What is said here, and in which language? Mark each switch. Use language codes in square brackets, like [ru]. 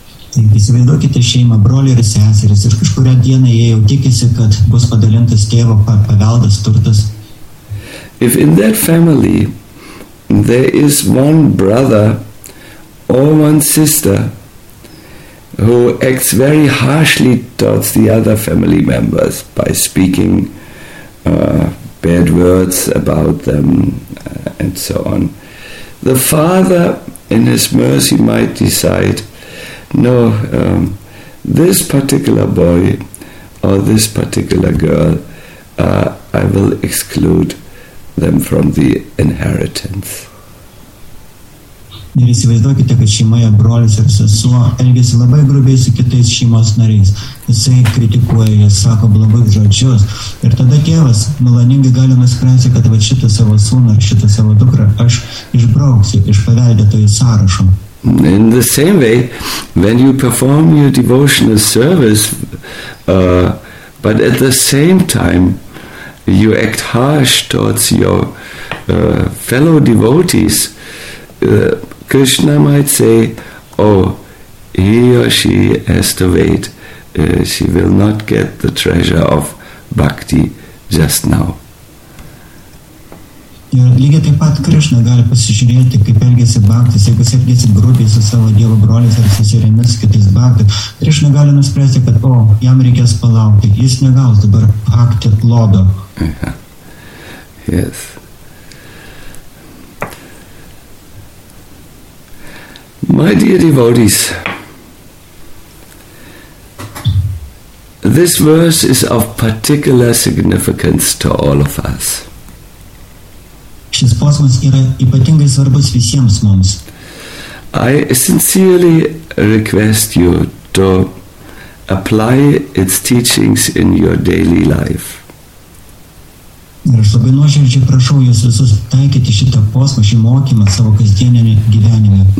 [lt] Taip, įsivaizduokite šeimą, brolį ir seseris, ir kažkurią dieną jie jau tikisi, kad bus padalintas tėvo paveldas turtas. [en] If in that family there is one brother or one sister who acts very harshly towards the other family members by speaking bad words about them and so on, the father in his mercy might decide, no, this particular boy or this particular girl, I will exclude them from the inheritance. [lt] Ir įsivaizduokite, kad šeimoje brolis ir sesuo elgiasi labai grubiai su kitais šeimos nariais. Jisai kritikuoja, jis sako blogus žodžius. Ir tada tėvas maloningai gali nuspręsti, kad va šitą savo sūną ar šitą savo dukrą aš išbrauksiu iš paveldėtojų sąrašo. [en] In the same way, when you perform your devotional service, but at the same time you act harsh towards your fellow devotees, Krishna might say, oh, he or she has to wait, she will not get the treasure of bhakti just now. [lt] Ir lygiai taip pat Krišna gali pasižiūrėti, kaip elgiasi bhaktis, jeigu elgiasi grubiai su savo dievo broliais ar seserimis kitais bhaktis. Krišna gali nuspręsti, kad o, jam reikės palaukti, jis negaus dabar bhakti lobio. [en] Uh-huh. Yes. My dear devotees, this verse is of particular significance to all of us. [lt] Šis posmas yra ypatingai svarbus visiems mums. [en] I sincerely request you to apply its teachings in your daily life. [lt] Ir aš labai nuoširdžiai prašau jūs visus taikyti šitą posmą, šį mokymą savo kasdienėme gyvenime.